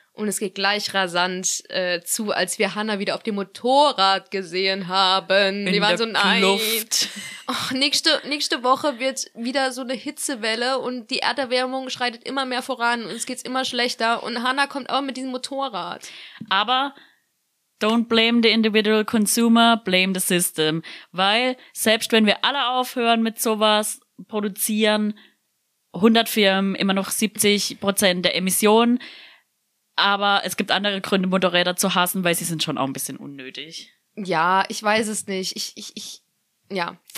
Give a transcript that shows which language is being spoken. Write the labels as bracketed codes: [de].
[de] Und es geht gleich rasant zu, als wir Hannah wieder auf dem Motorrad gesehen haben. In die waren so nein. Luft. Och, nächste Woche wird wieder so eine Hitzewelle und die Erderwärmung schreitet immer mehr voran und es geht's immer schlechter. Und Hannah kommt auch mit diesem Motorrad. Aber [en] don't blame the individual consumer, blame the system. [de] Weil selbst wenn wir alle aufhören mit sowas produzieren, 100 Firmen, immer noch 70% der Emissionen. Aber es gibt andere Gründe, Motorräder zu hassen, weil sie sind schon auch ein bisschen unnötig. Ja, ich weiß es nicht. Ja.